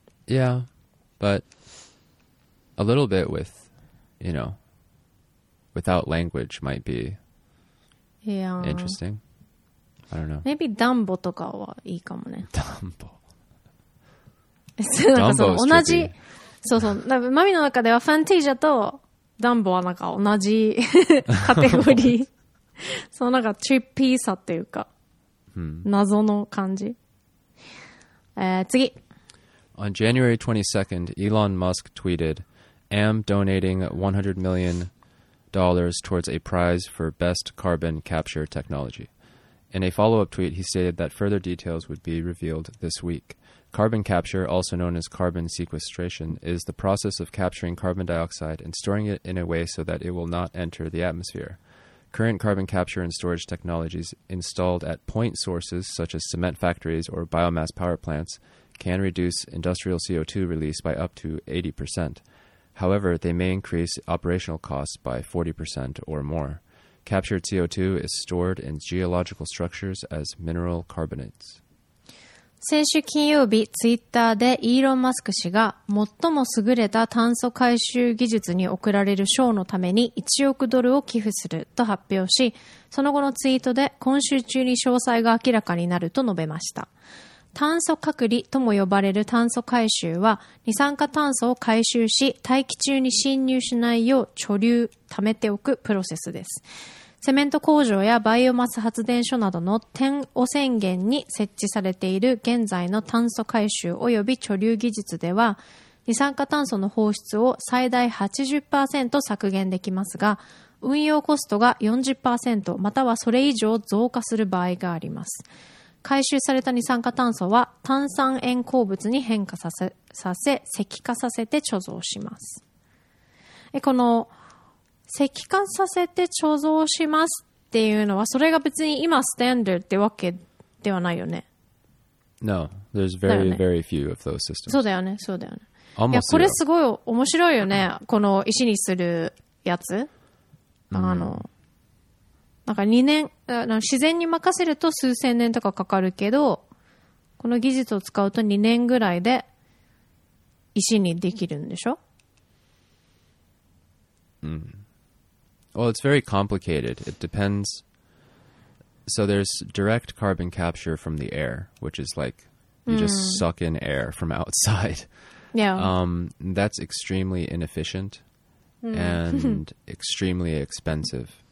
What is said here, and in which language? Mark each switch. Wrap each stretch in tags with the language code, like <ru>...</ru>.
<en>Yeah, but a little bit with, you know, without language might be interesting. I don't know. Maybe</en> <ja>Dumbo とかはいいかもね。 Dumbo. Dumbo's 同じ</ja> <en>trippy.</en> <ja>そうそう。マミの中ではファンタジアとダンボはなんか同じカテゴリー。そのなんかチッピーさっていうか、謎の感じ。次。</ja> <en>On January 22nd, Elon Musk tweeted, "Am donating $100 million towards a prize for best carbon capture technology." In a follow-up tweet, he stated that further details would be revealed this week. Carbon capture, also known as carbon sequestration, is the process of capturing carbon dioxide and storing it in a way so that it will not enter the atmosphere. Current carbon capture and storage technologies installed at point sources such as cement factories or biomass power plants can reduce industrial CO2 release by up to 80%. However, they may increase operational costs by 40% or more. Captured CO2 is stored in geological structures as mineral carbonates.</en> <ja>先週金曜日、ツイッターでイーロン・マスク氏が最も優れた炭素回収技術に贈られる賞のために1億ドルを寄付すると発表し、その後のツイートで今週中に詳細が明らかになると述べました。炭素隔離とも呼ばれる炭素回収は、二酸化炭素を回収し、大気中に侵入しないよう貯留、貯めておくプロセスです。セメント工場やバイオマス発電所などの点汚染源に設置されている現在の炭素回収及び貯留技術では、二酸化炭素の放出を最大 80% 削減できますが、運用コストが 40% またはそれ以上増加する場合があります。回収された二酸化炭素は炭酸塩鉱物に変化させ石化させて貯蔵します。この石化させて貯蔵しますっていうのは、それが別に今スタンダードってわけではないよね。</ja> <en>No, there's very,、</en> <ja>ね、</ja> <en>very few of those systems.</en> <ja>そうだよね、そうだよね。</ja> <en>Almost、</en> <ja>いや、これすごい面白いよね、この石にするやつ。あの、なんか2年、自然に任せると数千年とかかかるけど、この技術を使うと2年ぐらいで石にできるんでしょ？うん。</ja> <en>Well, it's very complicated. It depends. So there's direct carbon capture from the air, which is like you just suck in air from outside. Yeah. That's extremely inefficient and extremely expensive.</en>